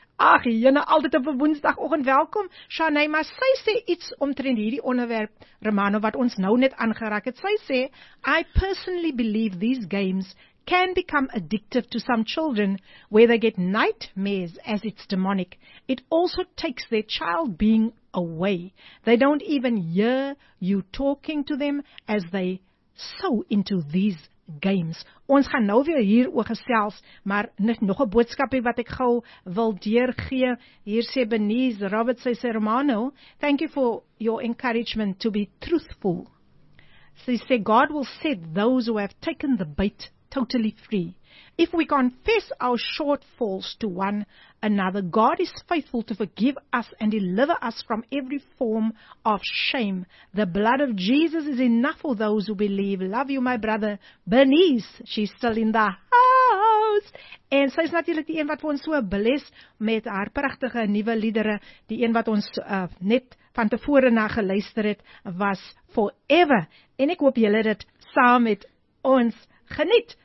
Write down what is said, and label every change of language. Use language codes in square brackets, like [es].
[af] Ach, jyne, altyd op 'n woensdagoggend welkom, Shanae, maar sy sê iets omtrent hierdie onderwerp, Romano, wat ons nou net aangeraak het. Sy sê, [en] I personally believe these games can become addictive to some children where they get nightmares as it's demonic. It also takes their child being away. They don't even hear you talking to them as they so into these games. [af] Ons gaan nou weer hier oor gesels, maar nog 'n boodskapie wat ek gou wil deurgee. Hier sê [en] Benise Robert, sy sê Romano, thank you for your encouragement to be truthful. [af] Sy sê [en] God will set those who have taken the bait totally free. If we confess our shortfalls to one another, God is faithful to forgive us and deliver us from every form of shame. The blood of Jesus is enough for those who believe. Love you, my brother. Bernice, she's still in the house. [af] En sy is natuurlijk die een wat ons so bless met haar prachtige nieuwe liedere. Die een wat ons net van tevore na geluister het, was Forever. En ek hoop julle dit saam met ons geniet.